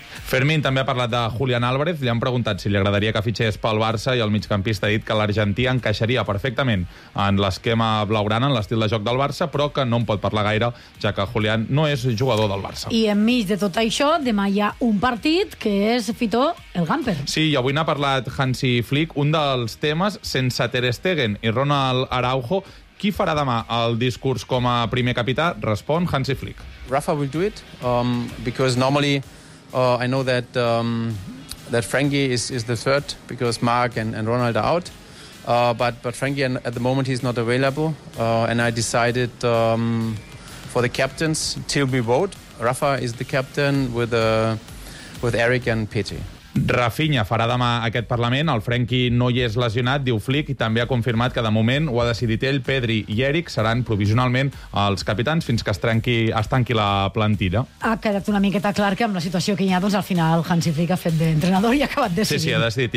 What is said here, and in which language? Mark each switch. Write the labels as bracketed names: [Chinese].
[Catalan] Fermín també ha parlat de Julián Álvarez, li han preguntat si li agradaria que fitxés pel Barça i el migcampista ha dit que l'argentí encaixaria perfectament en l'esquema blaugrana, en l'estil de joc del Barça, però que no en pot parlar gaire, ja que Julián no és jugador del Barça. I enmig de tot això, demà hi ha un partit que és, Fitó, el Gamper. Sí, i avui n'ha parlat Hansi Flick, un dels temes sense Ter Stegen i Ronald Araujo. Qui farà demà el discurs com a primer capità? Respon Hansi Flick. [English] Rafa will do it, because normally... I know that that Frankie is the third because Mark and Ronald are out, but Frankie at the moment he's not available, and I decided for the captains till we vote. Rafa is the captain with Eric and Petri. [Catalan] Rafinha farà demà aquest Parlament. El Frenkie no hi és lesionat, diu Flick, i també ha confirmat que de moment ho ha decidit ell. Pedri i Eric seran provisionalment els capitans fins que es tanqui la plantilla. Ha quedat una miqueta clar que amb la situació que hi ha, doncs al final Hansi Flick ha fet d'entrenador i ha acabat decidint. Sí, sí, ha decidit.